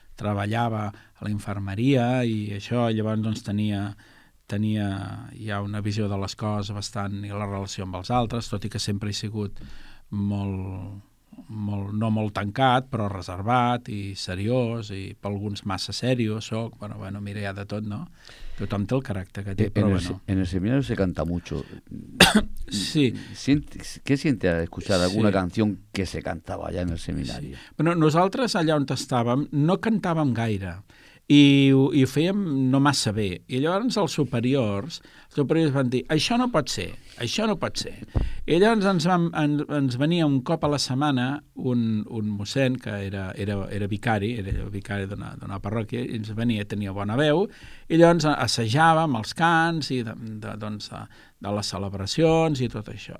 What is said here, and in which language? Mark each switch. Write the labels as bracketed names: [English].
[Catalan] treballava a la infermeria i això, llavors doncs, tenia ja una visió de les coses bastant i la relació amb els altres, tot i que sempre he sigut molt tancat, però reservat i seriós, i per alguns massa seriós soc, bueno, mira, ja de tot, no? Tothom té el caràcter que té, però bueno. [Spanish] En el seminario se canta mucho. Sí. ¿Qué siente al escuchar alguna canción que se cantaba allá en el seminario? Sí. [Catalan] Bueno, nosaltres allà on estàvem no cantàvem gaire, i ho fèiem no massa bé. I llavors els superiors van dir, això no pot ser. I llavors ens venia un cop a la setmana un mossèn que era vicari d'una parròquia, i ens venia, tenia bona veu, i llavors assajàvem els cants i de les celebracions i tot això.